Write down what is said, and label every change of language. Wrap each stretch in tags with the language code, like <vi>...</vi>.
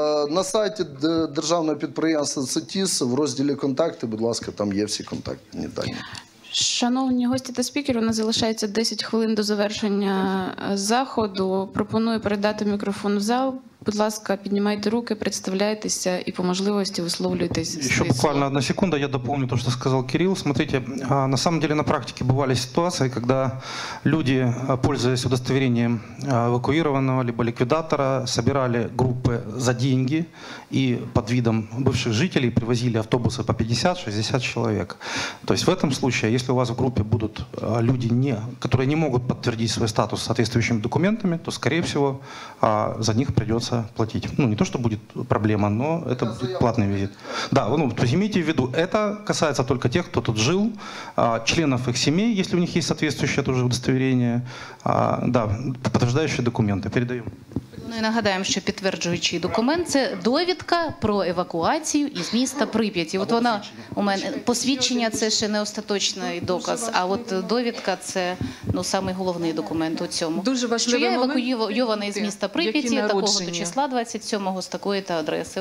<uk>На сайті державного підприємства «Цитіс» в розділі «Контакти», будь ласка, там є всі контактні дані. Шановні гості та спікери, у нас залишається 10 хвилин до завершення заходу. Пропоную передати мікрофон в зал. будь ласка, піднімайте руки, представляйтеся і по можливості висловлюйтесь. Ще буквально одна секунда, я доповню те, що сказав Кирилл.</uk> <ru>Смотрите, на самом деле на практике бывали ситуации, когда люди, пользуясь удостоверением эвакуированного либо ликвидатора, собирали группы за деньги и под видом бывших жителей привозили автобусы по 50-60 человек. То есть в этом случае, если у вас в группе будут люди, которые не могут подтвердить свой статус соответствующими документами, то, скорее всего, за них придется платить. Ну, не то, что будет проблема, но это будет платный визит. Да, ну, то есть имейте в виду, это касается только тех, кто тут жил, членов их семей, если у них есть соответствующее тоже удостоверение, да, подтверждающие документы. Передаем.</ru> <uk>Ну і нагадаємо, що підтверджуючий документ – це довідка про евакуацію із міста Прип'яті. От вона у мене, посвідчення – це ще не остаточний доказ, а от довідка – це, ну, самий головний документ у цьому. Дуже важливий момент. Що я евакуювана із міста Прип'яті, такого-то числа 27-го, з такої-то адреси.</uk>